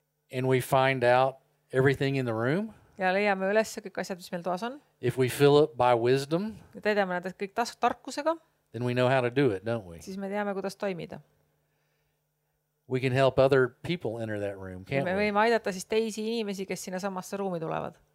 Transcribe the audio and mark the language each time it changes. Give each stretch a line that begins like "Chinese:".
English: And we find out everything in the room.
Estonian: Ja leiame üles kõik asjad, mis meil toas on.
English: If we fill it by wisdom.
Estonian: Ja teeme nad kõik tarkusega.
English: Then we know how to do it, don't we?
Estonian: Siis me teame, kuidas toimida.
English: We can help other people enter that room, can't we?
Estonian: Me võime aidata siis teisi inimesi, kes sinna samasse ruumi tulevad.